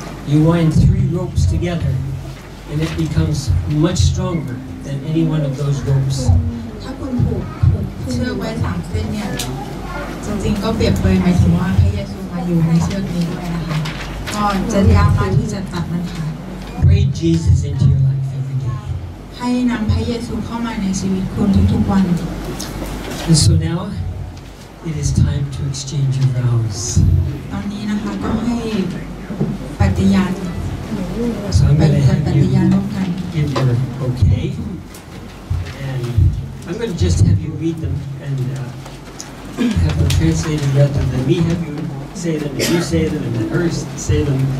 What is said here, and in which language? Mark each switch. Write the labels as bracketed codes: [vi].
[en] You wind three ropes together and it becomes much stronger than any one of those ropes. [th] ถ้าคุณผูกเชือกไว้3เส้นเนี่ยจริงๆก็เปรียบเปรยหมายถึงว่าพระเยซูมาอยู่ในเชือกนี้นะคะก็จะยากมากที่จะตัดมันขาด [en] Pray Jesus into your life every day [th] ให้นำพระเยซูเข้ามาในชีวิตคุณทุกๆวัน [en] And so now it is time to exchange your vows [th] ตอนนี้นะคะก็ให้ปฏิญาณ [en] give your okay and I'm going to just have you read them andHave them translated rather than me have you say them, and you say them, and the earth say them.